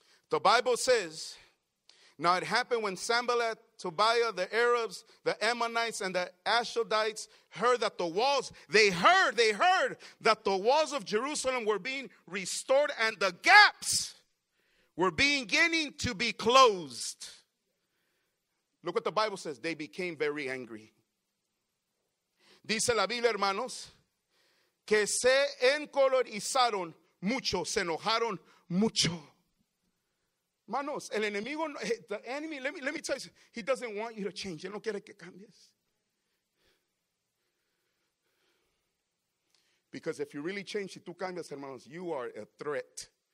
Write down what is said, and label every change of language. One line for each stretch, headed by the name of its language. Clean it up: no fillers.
English: The Bible says, now it happened when Sambalat, Tobiah, the Arabs, the Ammonites, and the Ashdodites heard that the walls, they heard that the walls of Jerusalem were being restored and the gaps were beginning to be closed. Look what the Bible says. They became very angry.
Spanish: Dice la Biblia, hermanos, que se encolorizaron mucho, se enojaron mucho. Hermanos, el enemigo,
English: the enemy, let me tell you, he doesn't want you to change.
Spanish: Él no quiere que cambies.
English: Because if you really change,
Spanish: si tú cambias, hermanos,
English: you are a threat.